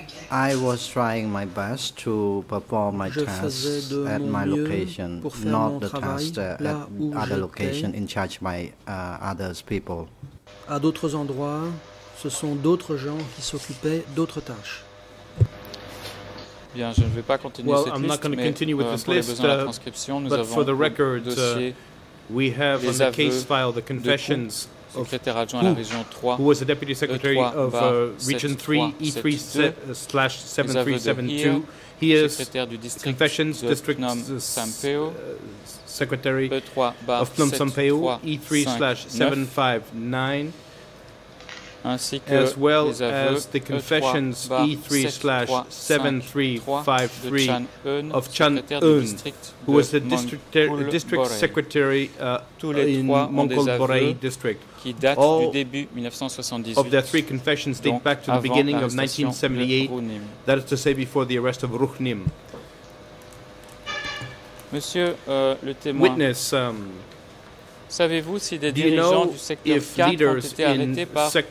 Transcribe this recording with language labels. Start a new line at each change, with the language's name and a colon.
English: I was trying my best to perform my tasks at my location, not the tasks at other locations in charge by other people.
French: À d'autres endroits, ce sont d'autres gens qui s'occupaient d'autres tâches. Bien, je ne vais pas continuer cette liste, mais pour les besoins de la transcription, nous avons le dossier.
English: We have on the case file the confessions of who was the deputy secretary of region 3, E3/7372. He is confessions district secretary of Phnom Sampeo, E3/759, as well as the confessions E3/7353 of Chan Eun, who was the district secretary in Mongkol Borei district. All of their three confessions date back to the beginning of 1978, that is to say before the arrest of Ruch Nim.
French: Monsieur, le témoin.
English: Witness,
French: savez-vous si des dirigeants du secteur 4 ont été arrêtés par